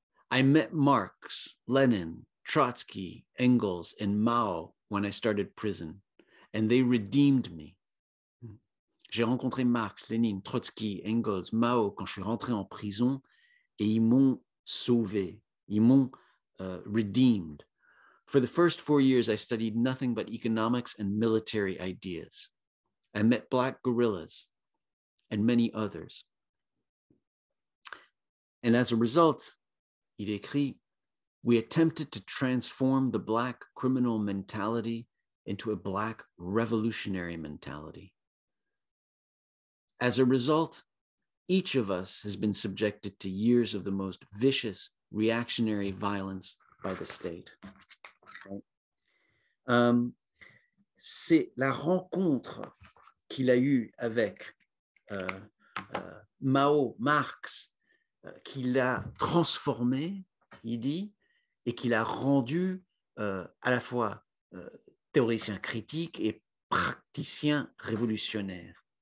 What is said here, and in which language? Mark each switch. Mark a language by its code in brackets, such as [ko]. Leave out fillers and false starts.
[en] I met Marx, Lenin, Trotsky, Engels, and Mao when I started prison, and they redeemed me. [fr] J'ai rencontré Marx, Lenin, Trotsky, Engels, Mao quand je suis rentré en prison, et ils m'ont sauvé, ils m'ont redeemed. [en] For the first 4 years, I studied nothing but economics and military ideas. I met black guerrillas and many others. And as a result, [fr] il écrit, [en] we attempted to transform the black criminal mentality into a black revolutionary mentality. As a result, each of us has been subjected to years of the most vicious reactionary violence by the state. [fr] C'est la rencontre qu'il a eue avec Mao, Marx, qui l'a transformé, il dit, et qui l'a rendu à la fois théoricien critique et praticien révolutionnaire.